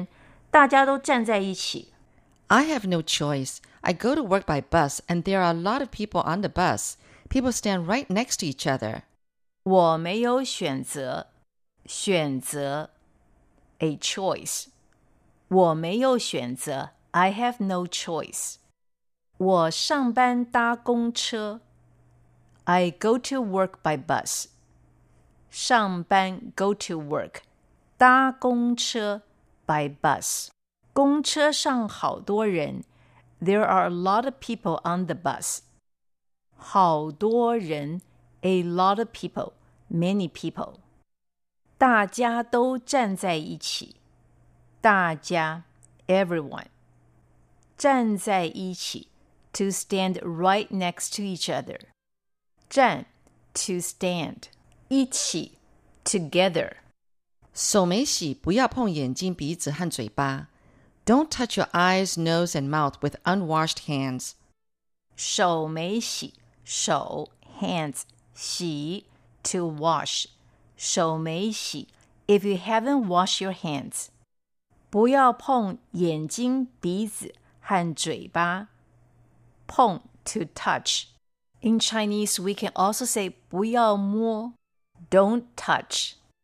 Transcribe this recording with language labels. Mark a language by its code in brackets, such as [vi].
[zh] 我没有选择。我上班搭公车，公车上好多人，大家都站在一起。I [en] have no choice. I go to work by bus, and there are a lot of people on the bus. People stand right next to each other. [zh] 我没有选择。选择, [en] a choice. [zh] 我没有选择, [en] I have no choice. [zh] 我上班搭公车, [en] I go to work by bus. [zh] 上班, [en] go to work. [zh] 搭公车, [en] by bus. [zh] 公车上好多人, [en] there are a lot of people on the bus. [zh] 好多人, [en] a lot of people, many people. [zh] 大家都站在一起, 大家, [en] everyone. [zh] 站在一起, [en] to stand right next to each other. [zh] 站, [en] to stand. [zh] 一起, [en] together. [zh] 手没洗,不要碰眼睛,鼻子和嘴巴. [en] Don't touch your eyes, nose, and mouth with unwashed hands. [zh] 手没洗, 手, [en] hands, [zh] 洗, [en] to wash. 手没洗, if you haven't washed your hands. [zh] 不要碰眼睛、鼻子和嘴巴。碰 [en] to touch. In Chinese, we can also say [zh] 不要摸 [en] don't touch.